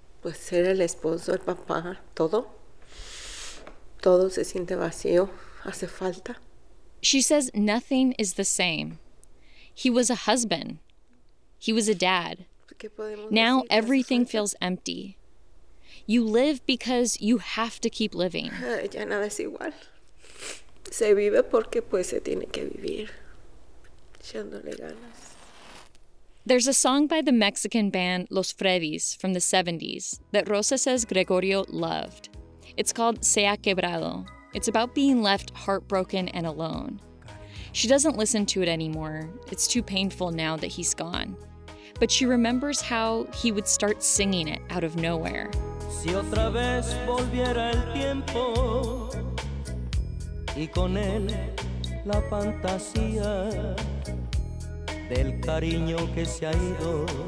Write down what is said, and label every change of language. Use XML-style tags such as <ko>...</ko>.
<es>Pues era el esposo, el papá, todo. Todo se siente vacío, hace falta.</es> <en>She says nothing is the same. He was a husband. He was a dad. Now everything feels empty. You live because you have to keep living.</en> <es>Ya nada es igual. Se vive porque pues se tiene que vivir. Echándole ganas.</es> <en>There's a song by the Mexican band Los Freddys from the 70s that Rosa says Gregorio loved. It's called Se Ha Quebrado. It's about being left heartbroken and alone. She doesn't listen to it anymore. It's too painful now that he's gone. But she remembers how he would start singing it out of nowhere.</en> <es>Si otra vez volviera el tiempo y con él la fantasía del cariño que se ha ido.</es>